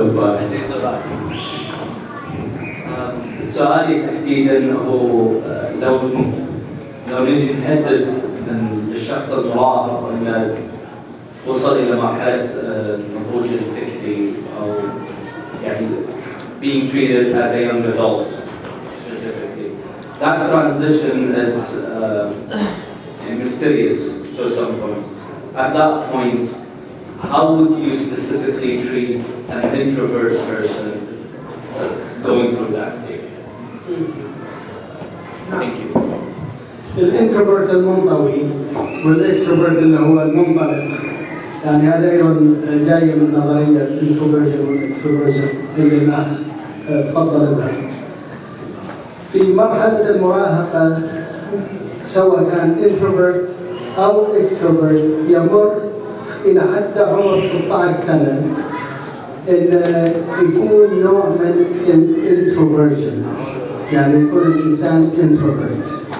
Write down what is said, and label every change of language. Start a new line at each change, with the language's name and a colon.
Arabic: أبو فارس، سؤالي تحديدا هو لو نجي نحدد من الشخص المراهق أنه وصل إلى مرحلة النضوج الفكري أو يعني
English: being treated as a young adult specifically. That transition is mysterious to some point. At that point, how would you specifically treat an introvert person going through that stage? Thank you.
Arabic: الانتروبرت المنطوي والاكستروبرت اللي هو المنبرد، يعني هذا ايضا جاي من نظريه الانتروبرجن والاكستروبرجن اللي الاخ تفضل بها. في مرحله المراهقه سواء كان انتروبرت او اكستروبرت يمر الى حتى عمر 16 سنه ان يكون نوع من الانتروبرجن، يعني يكون الانسان انتروبرت.